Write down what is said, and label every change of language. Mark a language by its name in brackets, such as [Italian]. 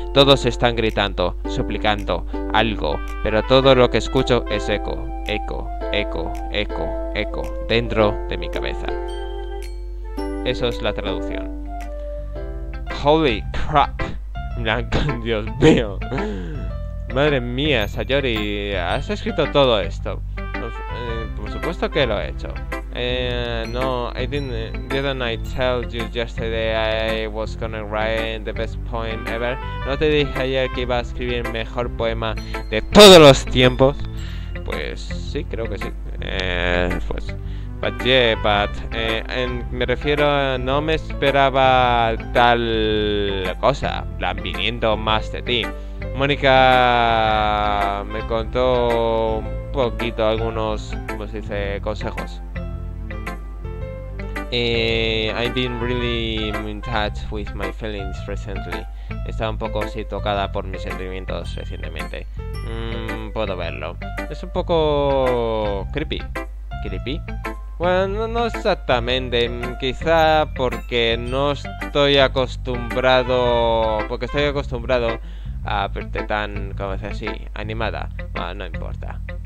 [Spanish] Todos están gritando, suplicando algo, pero todo lo que escucho es eco, eco, eco, eco, eco dentro de mi cabeza. Eso es la traducción. [English] Holy crap. [Spanish] Dios mío. Madre mía, Sayori, ¿has escrito todo esto? Por supuesto que lo he hecho. [English] No, I didn't. Didn't I tell you yesterday I was gonna write the best poem ever? [Spanish] ¿No te dije ayer que iba a escribir el mejor poema de todos los tiempos? Pues sí, creo que sí. Pues. [English] But yeah, but. [Spanish] Me refiero, no me esperaba tal cosa, plan viniendo más de ti. Mónica me contó un poquito algunos, ¿cómo se dice?, consejos. [English] I've been really in touch with my feelings recently. [Spanish] Estaba un poco así tocada por mis sentimientos recientemente. Puedo verlo. Es un poco creepy. ¿Creepy? Bueno, no exactamente. Quizá porque no estoy acostumbrado. Porque estoy acostumbrado a verte tan, como decía, así, animada. Bueno, no importa.